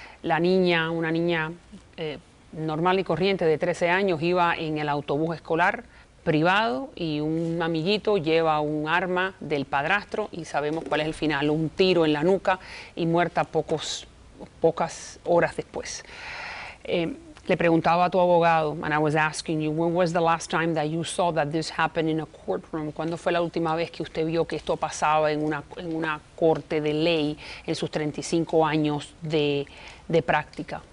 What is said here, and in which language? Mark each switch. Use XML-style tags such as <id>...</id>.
<es>La niña, una niña normal y corriente de 13 años, iba en el autobús escolar privado y un amiguito lleva un arma del padrastro y sabemos cuál es el final, un tiro en la nuca y muerta pocas horas después. Le preguntaba a tu abogado,</es> <en>and I was asking you, when was the last time that you saw that this happened in a courtroom?</en> <es>¿Cuándo fue la última vez que usted vio que esto pasaba en una corte de ley en sus 35 años de práctica?</es>